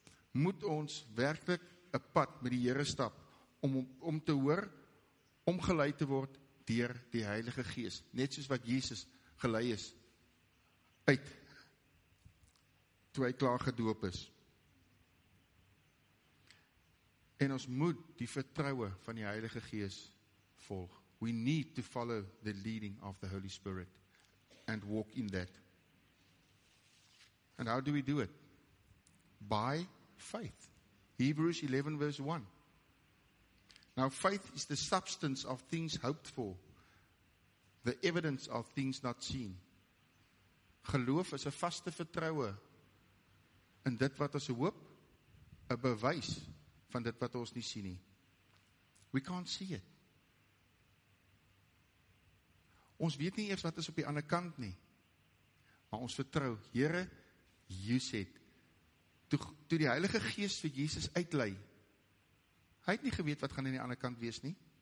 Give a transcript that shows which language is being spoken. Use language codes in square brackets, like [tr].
[af] Moet ons werklik 'n pad met die Here stap om te hoor, om gelei te word deur die Heilige Gees, net soos wat Jesus gelei is uit toe hy klaar gedoop is. En ons moet die vertroue van die Heilige Gees volg. [en] We need to follow the leading of the Holy Spirit and walk in that. And how do we do it? By faith. Hebrews 11 verse 1. Now faith is the substance of things hoped for, the evidence of things not seen. [af] Geloof is 'n vaste vertroue in dit wat ons hoop, 'n bewys van dit wat ons nie sien nie. [en] We can't see it. [af] Ons weet nie eers wat is op die ander kant nie. Maar ons vertrou, Here, [en] you said, [af] toe die Heilige Gees vir Jesus uitlei, hy het nie geweet wat gaan in die ander kant wees nie.